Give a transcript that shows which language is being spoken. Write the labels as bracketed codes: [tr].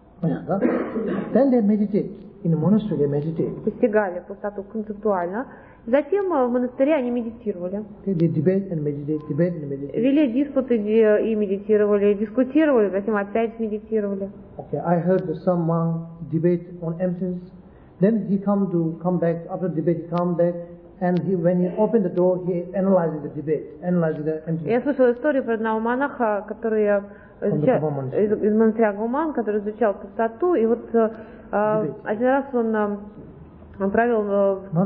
[ru] Понятно. [en] Then they meditate. In the monastery they meditate. [ru] Постигали пустоту концептуально. Затем в монастыре они медитировали. Вели диспуты и медитировали, дискутировали, затем опять медитировали. [en] Okay, I heard some monk debate on emptiness. Then he come back after debate, come back, and he when he opened the door, he analyzed the debate, analyzed the emptiness. [ru] Я слышала историю про одного монаха, который из монастыря Гуман, который изучал пустоту, и вот один раз он провел